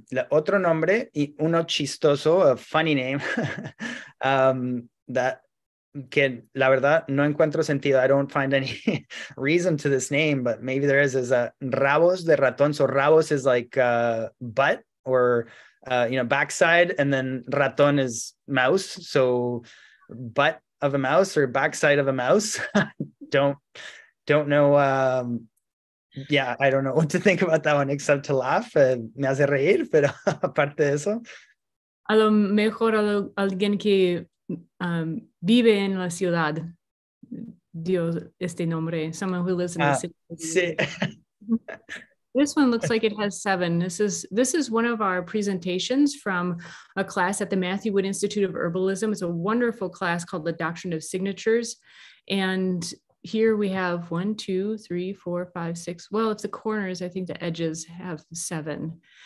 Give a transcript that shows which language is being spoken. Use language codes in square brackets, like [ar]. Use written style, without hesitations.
[es] Otro nombre y uno chistoso, [en] a funny name, [es] que la verdad no encuentro sentido. [en] I don't find any reason to this name, but maybe there is. Is a rabos de ratón. So rabos is like butt or backside, and then ratón is mouse. So butt of a mouse or backside of a mouse. don't know. I don't know what to think about that one except to laugh. [es] Me hace reír, pero aparte de eso. A lo mejor alguien que vive en la ciudad dio este nombre. [en] Someone who lives in the city. [es] Sí. [en] This one looks like it has seven. This is one of our presentations from a class at the Matthew Wood Institute of Herbalism. It's a wonderful class called The Doctrine of Signatures. And here we have 1, 2, 3, 4, 5, 6. Well, if the corners, I think the edges have seven.